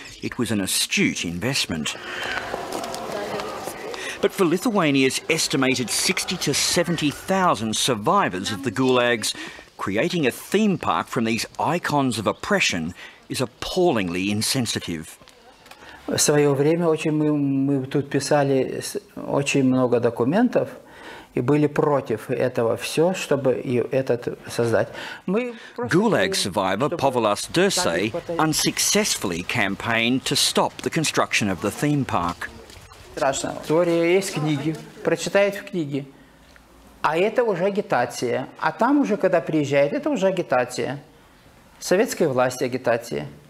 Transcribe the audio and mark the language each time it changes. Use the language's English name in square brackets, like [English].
[English] It was an astute investment. But for Lithuania's estimated 60 to 70,000 survivors of the gulags, creating a theme park from these icons of oppression is appallingly insensitive. [Russian] В своё время очень мы тут писали очень много документов, и были против этого все, чтобы этот создать. [English] Gulag survivor Povilas Dursay unsuccessfully campaigned to stop the construction of the theme park. [Russian] Страшно. История есть книги, прочитает в книге. А это уже агитация. А там уже, когда приезжает, это уже агитация. Советской власти агитация.